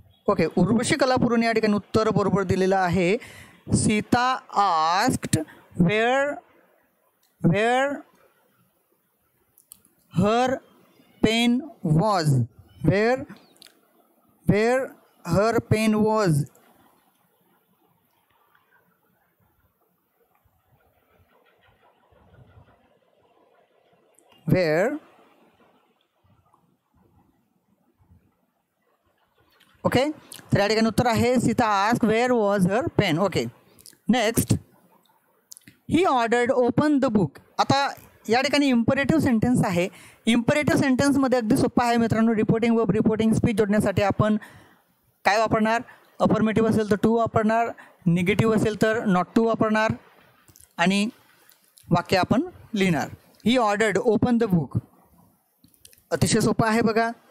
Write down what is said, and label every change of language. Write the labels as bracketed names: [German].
[Marathi] Okay Urvashi कलापुरुने या ठिकाणी उत्तर बरोबर दिलेलं आहे. [English] Sita asked where where her pen was, where where her pen was. [Marathi] Wear okay तर या ठिकाणी उत्तर आहे [English] Sita ask where was her pen. Okay next he ordered open the book. [Marathi] आता या ठिकाणी इम्परेटिव्ह सेंटेन्स आहे. इम्परेटिव्ह सेंटेन्समध्ये अगदी सोपा आहे मित्रांनो. रिपोर्टिंग व रिपोर्टिंग स्पीच जोडण्यासाठी आपण काय वापरणार? अफर्मेटिव्ह असेल तर टू वापरणार, निगेटिव्ह असेल तर नॉट टू वापरणार आणि वाक्य आपण लिहिणार. [English] He ordered open the book. [Marathi] अतिशय सोपा आहे बघा.